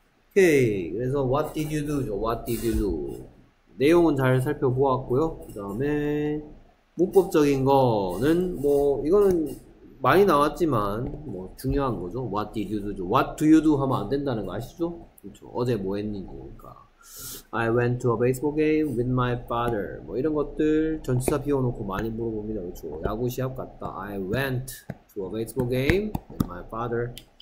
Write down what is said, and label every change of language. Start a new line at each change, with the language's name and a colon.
Korean: 오케이. 그래서
English: what did you do죠? What did you do?
Korean: 내용은 잘 살펴보았고요. 그다음에 문법적인 거는 뭐 이거는 많이 나왔지만 뭐 중요한 거죠.
English: What did you do죠? What do you do
Korean: 하면 안 된다는 거 아시죠? 그렇죠. 어제 뭐 했는지 그러니까.
English: I went to a baseball game with my father.
Korean: 뭐 이런 것들 전치사 비워놓고 많이 물어봅니다. 그렇죠. 야구 시합 갔다.
English: I went to a baseball game with my father.